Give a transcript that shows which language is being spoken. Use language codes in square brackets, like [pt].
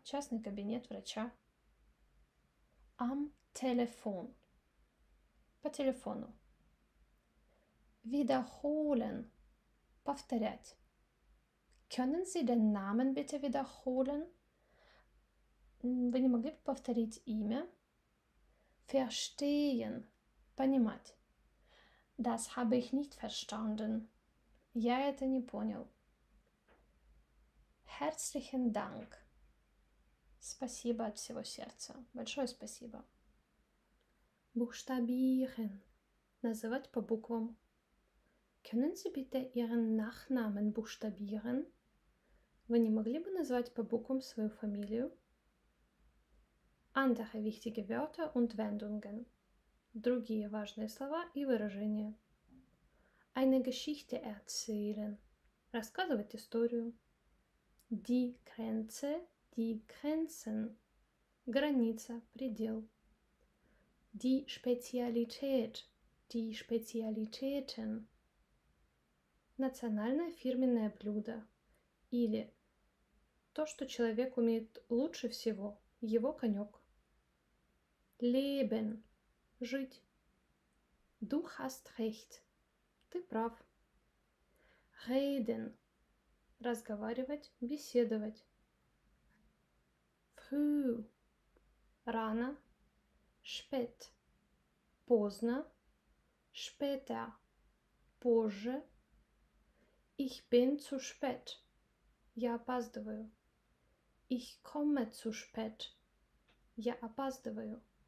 [ru] Частный кабинет врача. [de] Am Telefon. [ru] По телефону. [de] Wiederholen. [ru] Повторять. [de] Können Sie den Namen bitte wiederholen? [ru] Вы не могли бы повторить имя? [de] Verstehen. [ru] Понимать. [de] Das habe ich nicht verstanden. [ru] Я это не понял. [de] Herzlichen Dank. [ru] Спасибо от всего сердца. Большое спасибо. [de] Buchstabieren. [ru] Называть по буквам. [de] Können Sie bitte Ihren Nachnamen buchstabieren? [ru] Вы не могли бы назвать по буквам свою фамилию? [de] Andere wichtige Wörter und Wendungen. [ru] Другие важные слова и выражения. [de] Eine Geschichte erzählen. [ru] Рассказывать историю. [de] Die Grenze, die Grenzen. [ru] Граница, предел. [de] Die Spezialität, die Spezialitäten. [ru] Национальное фирменное блюдо. Или то, что человек умеет лучше всего, его конек. [de] Leben, [ru] жить. [de] Du hast recht, [ru] ты прав. [de] Reden, [ru] разговаривать, беседовать. [de] Früh, [ru] рано. [de] Spät, [ru] поздно. [de] Später, [ru] позже. [de] Ich bin zu spät. [ru] Я опаздываю. [de] Ich komme zu spät. [ru] Я опаздываю.